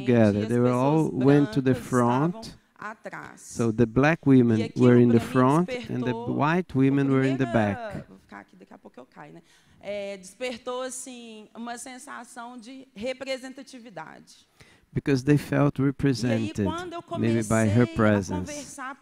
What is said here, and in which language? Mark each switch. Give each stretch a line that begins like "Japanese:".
English: together, they were all went to the front. So the black women were in the front and the white women were in the back.
Portuguese: Vou ficar aqui, daqui a pouco eu caio, né? Despertou uma sensação de representatividade.
English: because they felt represented, maybe by her presence.